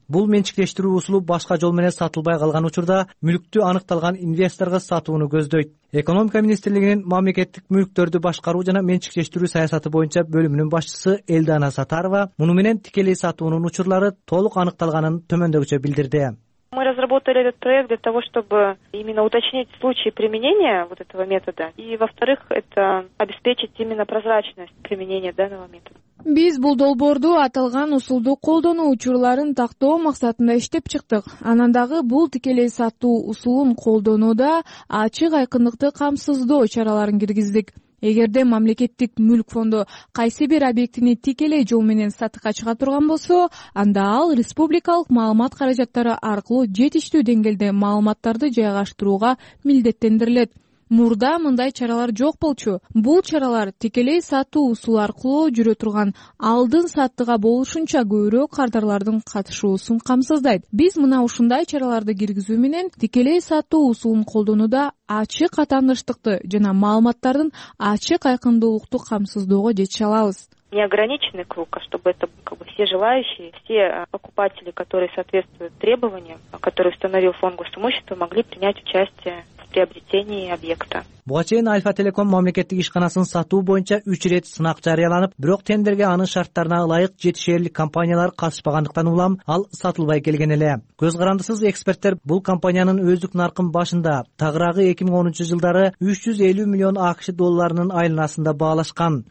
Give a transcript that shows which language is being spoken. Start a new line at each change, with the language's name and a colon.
Kyrgyz: Бул менчиктештирүү усулу башка жол менен сатылбай калган учурда мүлктү аныкталган инвесторго сатууну көздөйт. Экономика министрлигинин мамлекеттик мүлктөрдү башкаруу жана менчиктештирүү саясаты боюнча бөлүмүнүн башчысы Элдана Сатарова муну менен тикелей сатуунун учурлары толук аныкталганын төмөндөгүчө билдирди.
Russian: Мы разработали этот проект для того, чтобы именно уточнить случаи применения вот этого метода. И, во-вторых, это обеспечить именно прозрачность применения данного метода.
Kyrgyz: Биз бул долбоорду аталган усулду колдонуу учурларын тактоо максатында иштеп чыктык. Анан дагы бул тикелей сатуу усулун колдонууда ачык айкындыкты камсыздоо чараларын киргиздик. Эгерде мамлекеттик мүлк фонду кайсы бир объектини тикелей жол менен сатыкка чыга турган болсо, анда ал республикалык маалымат каражаттары аркылуу жетиштүү деңгээлде маалыматтарды жайгаштырууга милдеттендирилет. Мурда мындай чаралар жок болчу. Бул чаралар тикелей сатуу усулу аркылуу жүрө турган алдын саттыга болушунча көбүрөөк кардарлардын катышуусун камсыздайт. Биз мына ушундай чараларды киргизүү менен тикелей сатуу усулун колдонууда ачык атаандаштыкты жана маалыматтардын ачык айкындуулукту камсыздоого жетише алабыз.
Russian: Не ограниченный круг, а чтобы это как бы все желающие, все покупатели, которые соответствуют требованиям, которые установил фонд госимущества, могли принять участие в приобретении объекта.
Kyrgyz: Буга чейин Альфа Телеком мамлекеттик ишканасын сатуу боюнча 3 ирет сынак жарыяланып, бирок тендерге анын шарттарына ылайык жетишерлик компаниялар катышпагандыктан улам ал сатылбай келген эле. Көз карандысыз эксперттер бул компаниянын өздүк наркын башында тагыраагы 2010 жылдары 350 миллион АКШ долларынын айланасында баалашкан.